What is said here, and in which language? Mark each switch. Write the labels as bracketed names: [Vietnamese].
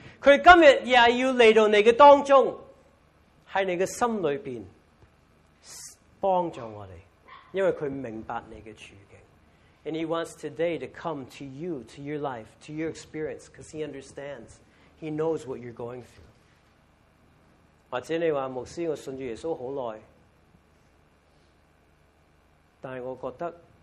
[Chinese] 他今天也要来到你的当中，在你的心里边帮助我们，因为他明白你的处境。 [English] And he wants today to come to you, to your life, to your experience, because he understands. He knows what you're going through. [Chinese] 或者你说，牧师，我信主耶稣很久，但是我觉得